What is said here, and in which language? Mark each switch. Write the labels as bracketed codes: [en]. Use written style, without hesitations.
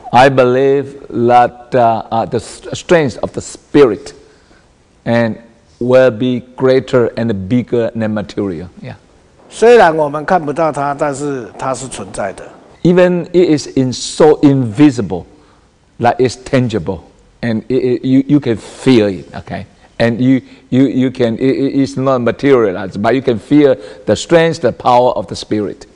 [en] I believe that the strength of the spirit and will be greater and bigger than material. Yeah. [zh] 虽然我们看不到它，但是它是存在的。 [en] Even it is in so invisible, like it's tangible, and you can feel it. Okay. And you can, it's not materialized, but you can feel the strength, the power of the spirit.